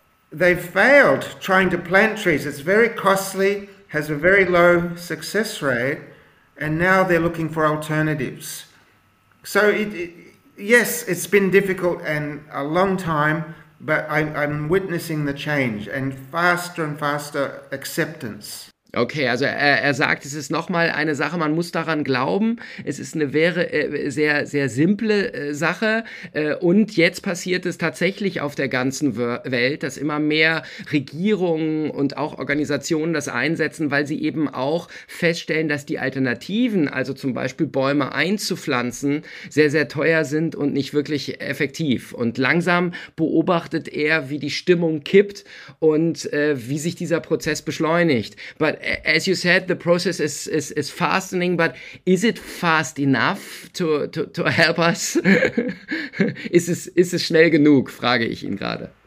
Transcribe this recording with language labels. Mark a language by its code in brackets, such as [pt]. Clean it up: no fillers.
[en] They've failed trying to plant trees. It's very costly, has a very low success rate, and now they're looking for alternatives. So yes, it's been difficult and a long time, but I'm witnessing the change and faster acceptance. [de] Okay, also er sagt, es ist nochmal eine Sache, man muss daran glauben. Es ist eine sehr, sehr simple Sache. Und jetzt passiert es tatsächlich auf der ganzen Welt, dass immer mehr Regierungen und auch Organisationen das einsetzen, weil sie eben auch feststellen, dass die Alternativen, also zum Beispiel Bäume einzupflanzen, sehr, sehr teuer sind und nicht wirklich effektiv. Und langsam beobachtet er, wie die Stimmung kippt und wie sich dieser Prozess beschleunigt. [en] But as you said, the process is fastening, but is it fast enough to help us? [de] ist es schnell genug, frage ich ihn gerade.